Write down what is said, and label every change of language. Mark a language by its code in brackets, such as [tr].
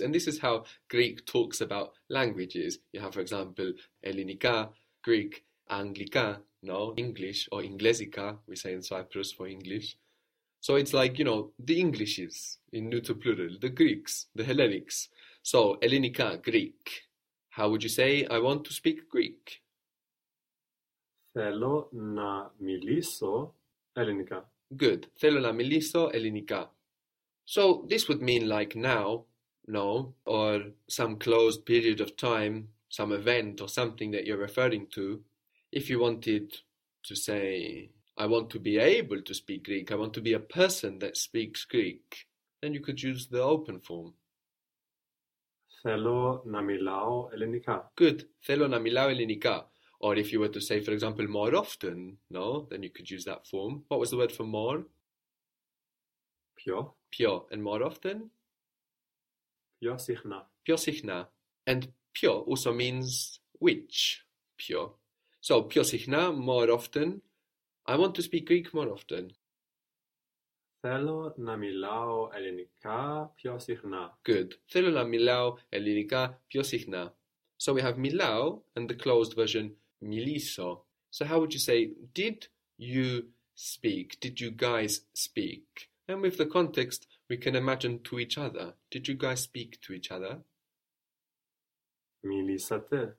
[en] And this is how Greek talks about languages. You have, for example, elinika, Greek, anglika. No, English or Inglesica, we say in Cyprus for English. So it's like, the Englishes in neuter plural, the Greeks, the Hellenics. So, Ellenica, Greek. How would you say, I want to speak Greek? [el] Θέλω να μιλήσω ελληνικά. [en] Good. [el] Θέλω να μιλήσω Ellenica. [en] So this would mean like now, no, or some closed period of time, some event or something that you're referring to. If you wanted to say, I want to be able to speak Greek, I want to be a person that speaks Greek, then you could use the open form. [el] Θέλω να μιλάω ελληνικά. [en] Good. [el] Θέλω να μιλάω ελληνικά. [en] Or if you were to say, for example, more often, no, then you could use that form. What was the word for more? [el] Πιο Πιο. [en] And more often? [el] συχνά. Πιο συχνά. [en] And πιο also means which. Πιο. So, [el] πιο συχνά, [en] more often. I want to speak Greek more often. [el] Θέλω να μιλάω ελληνικά πιο συχνά. [en] Good. [el] Θέλω να μιλάω ελληνικά πιο συχνά. [en] So we have μιλάω and the closed version μιλήσω. So how would you say, did you speak? Did you guys speak? And with the context, we can imagine to each other. Did you guys speak to each other? [el] Μιλήσατε.